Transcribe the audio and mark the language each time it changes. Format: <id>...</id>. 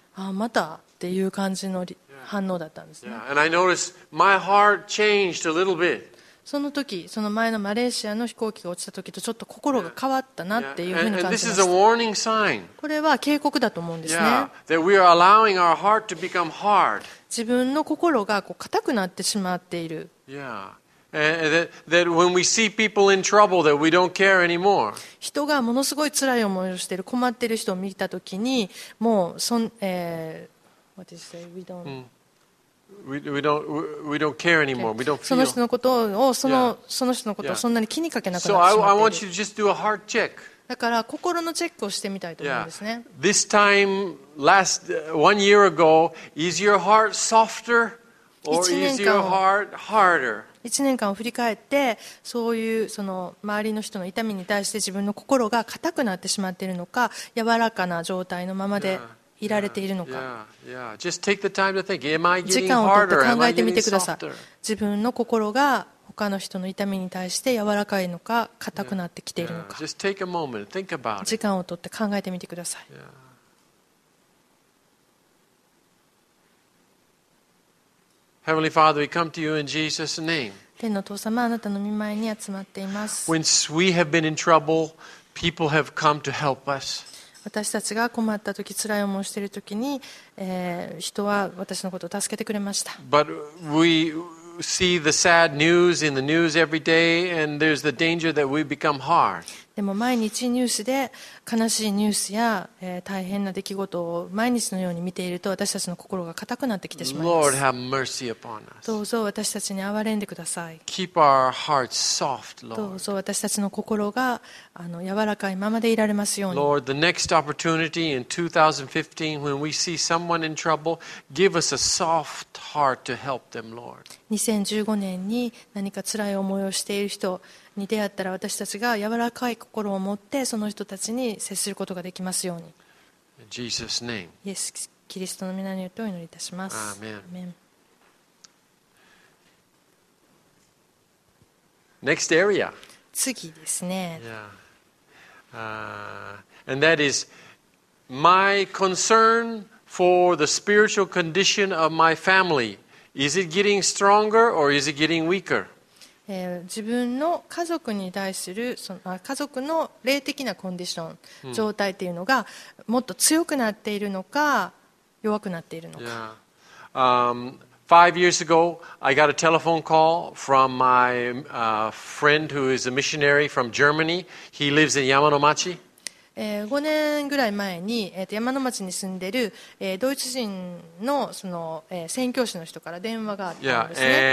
<ja>ああ、またっていう感じの反応だったんですね。</ja> <en>Yeah. And I noticed my heart changed a little bit.</en> <ja>その時、その前のマレーシアの飛行機が落ちた時とちょっと心が変わったなっていうふうに感じました。これは警告だと思うんですね。</ja> <en>That we are allowing our heart to become hard.</en> <ja>自分の心がこう固くなってしまっている。</ja> <en>That when we see people in trouble, that we don't care anymore.</en> <ja>人がものすごい辛い思いをしている、困っている人を見た時に、もうそん、</ja> <en>what did you say? We don't. We don't care anymore. We don't feel.</en> <ja>その人のことをその人のことをそんなに気にかけなくなってしまっている。</ja> <en>So I want you to just do a heart check.</en> <ja>だから心のチェックをしてみたいと思うんですね。</ja> <en>Yeah. This time last one year ago, is your heart softer or is your heart harder?</en> <ja>1年間を振り返って、そういうその周りの人の痛みに対して自分の心が硬くなってしまっているのか、柔らかな状態のままで。</ja> <en>Yeah.</en> <ja>いられているのか。</ja> <en>Just take the time to think. Am I getting harder?</en> <ja>時間を考えてみてください。自分の心が他の人の痛みに対して柔らかいのか、硬くなってきているのか。</ja> <en>Just take a moment. Think about it.</en> <ja>時間を取って考えてみてください。</ja> <en>Heavenly Father, we come to you in Jesus' name.</en> <ja>天の父様、あなたの御前に集まっています。</ja> <en>Once we have been in trouble, people have come to help us.</en> <ja>私たちが困ったとき、辛い思いをしているときに、人は私のことを助けてくれました。</ja> <en>But we see the sad news in the news every day, and there's the danger that we become hard.</en> <ja>でも毎日ニュースで悲しいニュースや、大変な出来事を毎日のように見ていると、私たちの心が硬くなってきてしまいます。</ja> <en>Lord, have mercy upon us.</en> <ja>どうぞ私たちに憐れんでください。</ja> <en>Keep our hearts soft, Lord.</en> <ja>どうぞ私たちの心が柔らかいままでいられますように。</ja> <en>Lord, the next opportunity in 2015, when we see someone in trouble, give us a soft heart to help them, Lord.</en> <ja>2015年に何か辛い思いをしている人に出会ったら、私たちが柔らかい心を持ってその人たちに接することができますように。</ja> <en>Jesus' name.</en> <ja>イエス・キリストの御名によってお祈りいたします。</ja> <en>Amen. Amen. Next area.</en> <ja>次ですね。</ja> <en>Yeah. And that is my concern for the spiritual condition of my family. Is it getting stronger or is it getting weaker?</en> <ja>自分の家族に対するその家族の霊的なコンディション、状態というのがもっと強くなっているのか弱くなっているのか。</ja> <en>5 years ago, I got a telephone call from my friend who is a missionary from Germany. He lives in Yamanomachi.</en> <ja>5年ぐらい前に、山の町に住んでる、ドイツ人 の, その、宣教師の人から電話があったんですね。</ja>